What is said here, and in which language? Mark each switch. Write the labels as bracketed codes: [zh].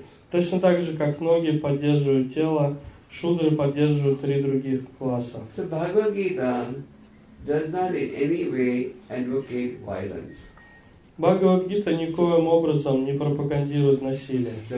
[ru] Точно так же, как ноги поддерживают тело, шудры поддерживают три других класса. [en] So Bhagavad Gita does not in any way advocate violence. [ru] Бхагавад-гита никоим образом не пропагандирует насилие.